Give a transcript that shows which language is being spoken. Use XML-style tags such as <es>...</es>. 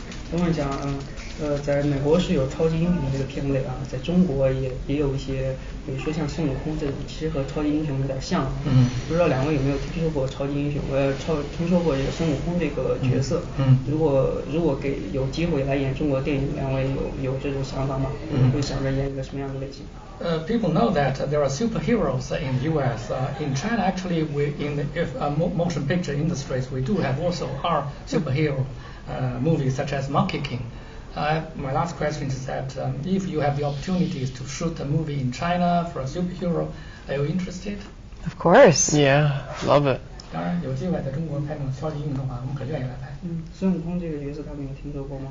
<zh>我们讲在美国是有超级英雄这个片类啊，在中国也有一些，比如说像孙悟空这种，其实和超级英雄有点像。嗯。不知道两位有没有听说过超级英雄？听说过这个孙悟空这个角色。嗯。如果给有机会来演中国电影，两位有这种想法吗？嗯。会想着演一个什么样的类型？</zh> <en>People know that there are superheroes in the U.S. In China, actually, motion picture industries, we do have also our superhero movies such as Monkey King. My last question is that if you have the opportunities to shoot a movie in China for a superhero, are you interested? Of course. Yeah, love it.</en> <zh>当然，有机会在中国拍那种超级英雄的话，我们可愿意来拍。孙悟空这个角色，他们有听说过吗</zh>